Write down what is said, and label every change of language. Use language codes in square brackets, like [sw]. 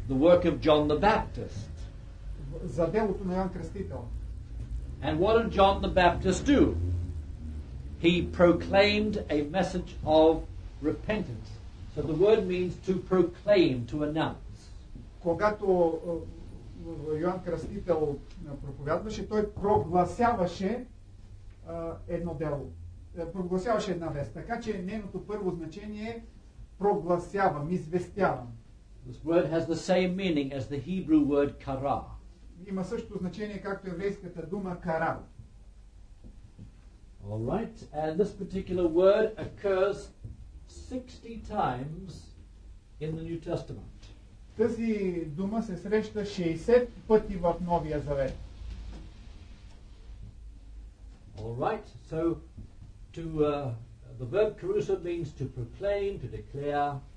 [en] The work of John the Baptist. [bg] За делото на Йоан Кръстител. [en] And what did John the Baptist do? He proclaimed a message of repentance. So the word means to proclaim, to announce. [bg] Когато Йоан Кръстител проповядваше, той прогласяваше едно дело. Прогласяваше една вест. Така че нейното първо значение е прогласявам, известявам. [en] This word has the same meaning as the Hebrew word kara. [bg] Има същото значение както еврейската дума кара. [en] All right, and this particular word occurs 60 times in the New Testament. [bg] Тази дума се среща 60 пъти в Новия Завет. [en] All right, so to the verb caruso means to proclaim, to declare.